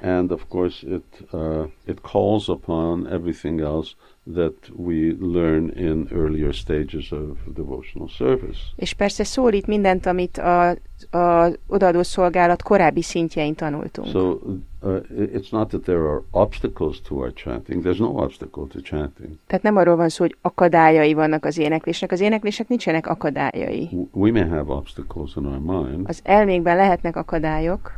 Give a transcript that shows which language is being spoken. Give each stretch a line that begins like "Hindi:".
English: And of course it calls upon everything else that we learn in earlier stages of devotional service.
Hungarian: És persze szólít mindent, amit a odaadó szolgálat korábbi szintjein tanultunk.
English: So it's not that there are obstacles to our chanting. There's no obstacle to chanting.
Hungarian: Tehát nem arról van szó, hogy akadályai vannak az éneklésnek. Az éneklésnek nincsenek akadályai.
English: We may have obstacles in our mind.
Hungarian: Az elménkben lehetnek akadályok.